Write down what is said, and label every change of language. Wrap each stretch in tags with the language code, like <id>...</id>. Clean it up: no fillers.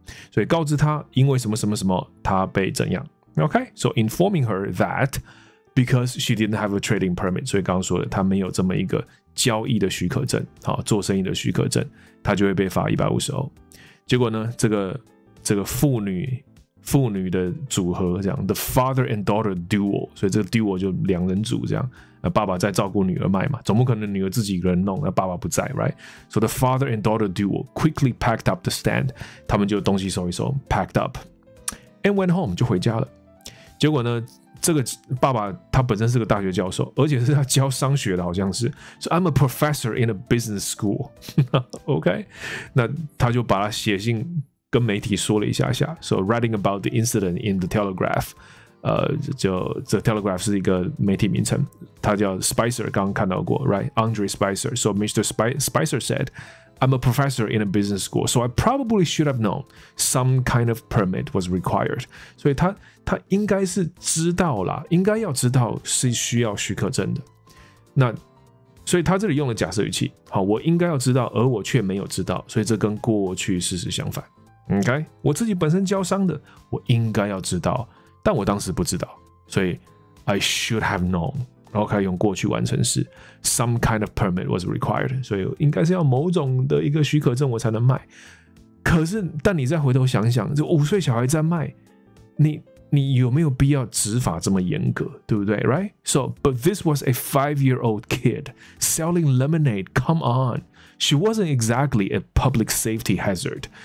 <zh>所以告知他因为什么什么什么他被怎样 ？OK，</zh> <en>so informing her that because she didn't have a trading permit，</en> <zh>所以刚刚说的他没有这么一个交易的许可证，好做生意的许可证，他就会被罚150欧。结果呢，这个妇女父女的组合，这样</zh> <en>the father and daughter duo，</en> <zh>所以这个 duo 就两人组这样。爸爸在照顾女儿卖嘛，总不可能女儿自己一个人弄，爸爸不在 ，right？</zh> <en>So the father and daughter duo quickly packed up the stand，</en> <zh>他们就东西收一收</zh> <en>，packed up and went home，</en> <zh>就回家了。结果呢，这个爸爸他本身是个大学教授，而且是他教商学的，好像是。</zh> <en>So I'm a professor in a business school， OK？</en> <zh>那他就把他写信跟媒体说了一下下 ，</zh> <en>so writing about the incident in the Telegraph。</en> <zh>就这 Telegraph 是一个媒体名称，他叫 Spicer， 刚刚看到过 ，right？ Andre Spicer。</zh> <en>So Mr. Spicer said， "I'm a professor in a business school, so I probably should have known some kind of permit was required."</en> <zh>所以他应该是知道啦，应该要知道是需要许可证的。那所以他这里用了假设语气，好，我应该要知道，而我却没有知道，所以这跟过去事实相反。 OK， 我自己本身教商的，我应该要知道。但我当时不知道，所以</zh> <en>I should have known，</en> <zh>然后可以用过去完成式</zh> <en>some kind of permit was required，</en> <zh>所以应该是要某种的一个许可证我才能卖。可是但你再回头想想，就五岁小孩在卖，你有没有必要执法这么严格，对不对？</zh> <en>Right？ So but this was a 5-year-old kid selling lemonade， come on， she wasn't exactly a public safety hazard。</en>